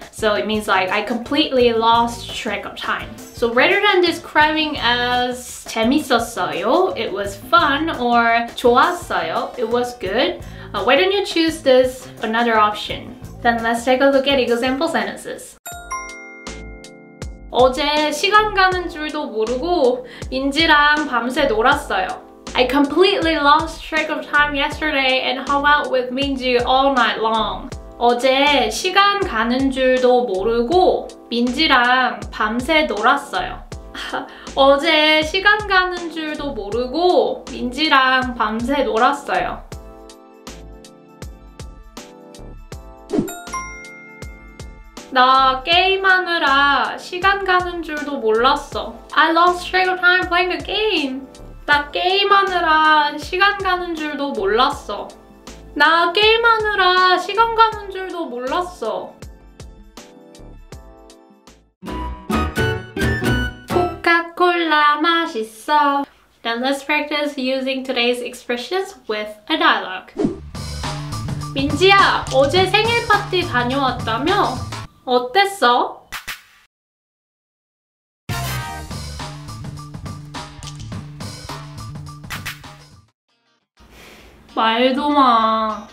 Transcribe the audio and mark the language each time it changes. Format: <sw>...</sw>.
<en>So it means like I completely lost track of time. So rather than describing as</en> <ko>재밌었어요,</ko> <en>it was fun, or</en> <ko>좋았어요,</ko> <en>it was good, why don't you choose this another option? Then let's take a look at example sentences.</en> <ko>어제 시간 가는 줄도 모르고 민지랑 밤새 놀았어요.</ko> <en>I completely lost track of time yesterday and hung out with Minji all night long.</en> <ko>어제 시간 가는 줄도 모르고 민지랑 밤새 놀았어요. 어제 시간 가는 줄도 모르고 민지랑 밤새 놀았어요. 나 게임하느라 시간 가는 줄도 몰랐어.</ko> <en>I lost track of time playing the game.</en> <ko>나 게임하느라 시간 가는 줄도 몰랐어. 나 게임하느라 시간 가는 줄도 몰랐어. 코카콜라 맛있어.</ko> <en>Then let's practice using today's expressions with a dialogue.</en> <ko>민지야, 어제 생일 파티 다녀왔다며? 어땠어? 말도 마.</ko>